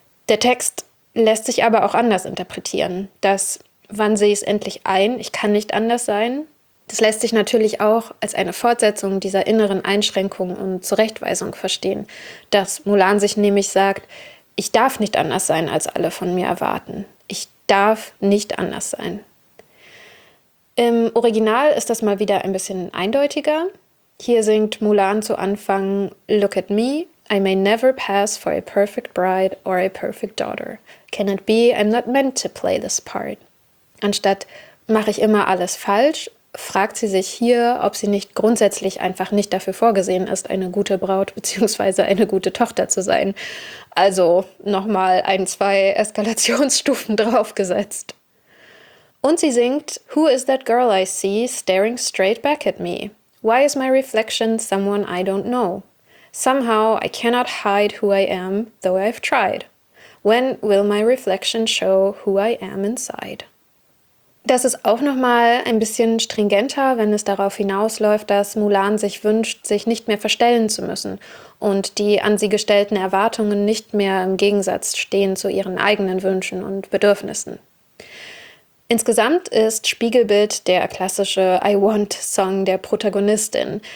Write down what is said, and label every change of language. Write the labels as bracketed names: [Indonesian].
[German] Der Text lässt sich aber auch anders interpretieren. Das, wann sehe ich es endlich ein, ich kann nicht anders sein, das lässt sich natürlich auch als eine Fortsetzung dieser inneren Einschränkung und Zurechtweisung verstehen. Dass Mulan sich nämlich sagt, ich darf nicht anders sein, als alle von mir erwarten. Ich darf nicht anders sein. Im Original ist das mal wieder ein bisschen eindeutiger. Hier singt Mulan zu Anfang » [English] Look at me«. I may never pass for a perfect bride or a perfect daughter. Can it be I'm not meant to play this part? [German] Anstatt, mache ich immer alles falsch, fragt sie sich hier, ob sie nicht grundsätzlich einfach nicht dafür vorgesehen ist, eine gute Braut bzw. eine gute Tochter zu sein. Also nochmal ein, zwei Eskalationsstufen draufgesetzt. Und sie singt, [English] Who is that girl I see staring straight back at me? Why is my reflection someone I don't know? Somehow I cannot hide who I am, though I've tried. When will my reflection show who I am inside? [German] Das ist auch nochmal ein bisschen stringenter, wenn es darauf hinausläuft, dass Mulan sich wünscht, sich nicht mehr verstellen zu müssen und die an sie gestellten Erwartungen nicht mehr im Gegensatz stehen zu ihren eigenen Wünschen und Bedürfnissen. Insgesamt ist Spiegelbild der klassische I Want Song der Protagonistin.